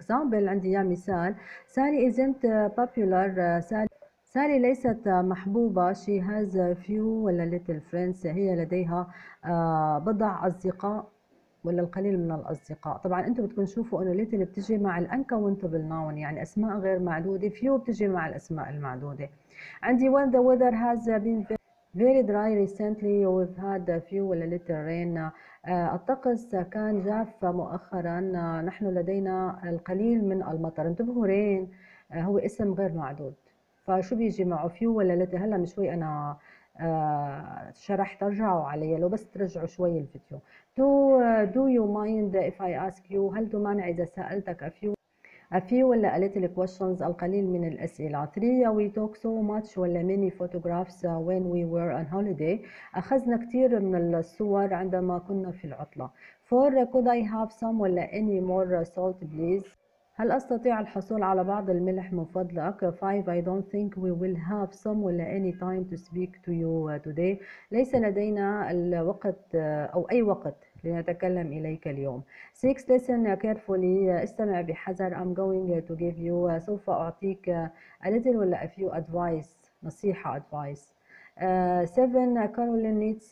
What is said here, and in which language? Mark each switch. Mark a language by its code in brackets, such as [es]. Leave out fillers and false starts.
[en] Example [ar] عندي يا مثال: [en] Sally isn't popular، [ar] سالي ليست محبوبة. [en] She has few [ar] ولا [en] little friends، [ar] هي لديها بضع أصدقاء ولا القليل من الأصدقاء. طبعا أنتم بتكون تشوفوا أنه ليت اللي بتجي مع الأنكاونتبل ناون يعني أسماء غير معدودة، فيو بتجي مع الأسماء المعدودة. [en] عندي when the weather has been very dry recently we've had a few [ar] ولا [en] little rain. [ar] الطقس كان جاف مؤخرا، نحن لدينا القليل من المطر. انتبهوا رين هو اسم غير معدود، فشو بيجي معه فيو ولا little. هلا من شوي أنا شرحت، ارجعوا علي لو بس ترجعوا شوي الفيديو. [en] Do you mind if I ask you، [ar] هل تمانع إذا سألتك [en] a few ولا a little questions، [ar] القليل من الأسئلة. [en] Three we talk so much ولا many photographs when we were on holiday، [ar] أخذنا كثير من الصور عندما كنا في العطلة. [en] Four could I have some ولا any more salt please، [ar] هل أستطيع الحصول على بعض الملح من فضلك؟ [en] 5. I don't think we will have some [ar] ولا [en] any time to speak to you today. [ar] ليس لدينا الوقت أو أي وقت لنتكلم إليك اليوم. [en] 6. Listen carefully. [ar] استمع بحذر. [en] I'm going to give you. [ar] سوف أعطيك [en] a little [ar] ولا [en] a few advice. نصيحة advice. 7. Caroline needs.